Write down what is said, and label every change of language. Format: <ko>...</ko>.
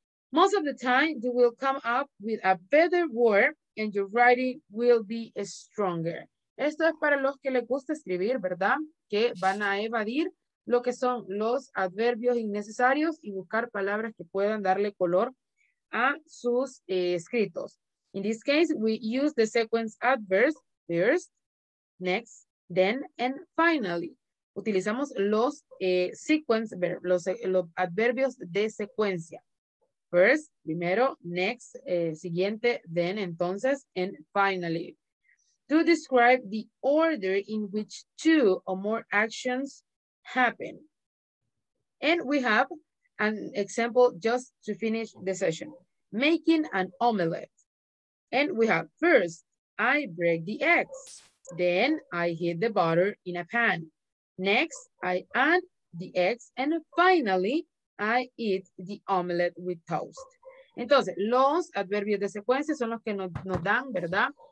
<en>Most of the time, you will come up with a better word and your writing will be stronger.</en> <es>Esto es para los que les gusta escribir, ¿verdad? Que van a evadir lo que son los adverbios innecesarios y buscar palabras que puedan darle color a sus escritos.</es> <en>In this case, we use the sequence adverbs first, next, then, and finally.</en> <es>Utilizamos los</es> <en>sequence verbs,</en> <es>los adverbios de secuencia.</es> <en>First,</en> <es>primero,</es> <en>next,</en> <es>siguiente,</es> <en>then,</en> <es>entonces,</es> <en>and finally. To describe the order in which two or more actions happen. And we have an example just to finish the session. Making an omelette. And we have first, I break the eggs. Then I heat the butter in a pan. Next, I add the eggs. And finally, I eat the omelette with toast.</en> <es>Entonces, los adverbios de secuencia son los que nos dan, ¿verdad?</es>